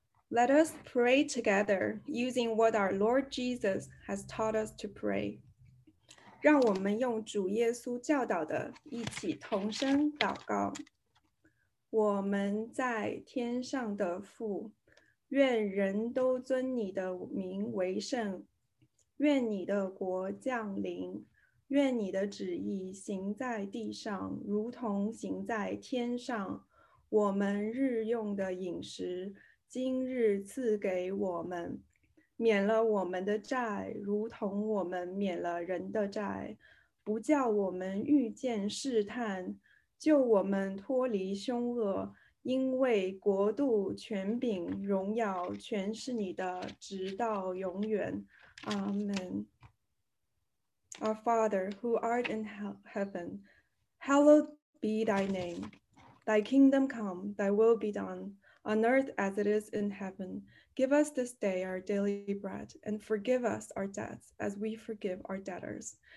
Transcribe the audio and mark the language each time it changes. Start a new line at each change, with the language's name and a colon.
English: Let us pray together using what our Lord Jesus has taught us to pray.
Chinese: 让我们用主耶稣教导的一起同声祷告。我们在天上的父，愿人都尊你的名为圣，愿你的国降临，愿你的旨意行在地上，如同行在天上。我们日用的饮食，今日赐给我们，免了我们的债，如同我们免了人的债，不叫我们遇见试探，救我们脱离凶恶，因为国度、权柄、荣耀，全是你的，直到永远。
English: Amen. Our Father, who art in heaven, hallowed be thy name. Thy kingdom come, thy will be done, on earth as it is in heaven. Give us this day our daily bread, and forgive us our debts as we forgive our debtors.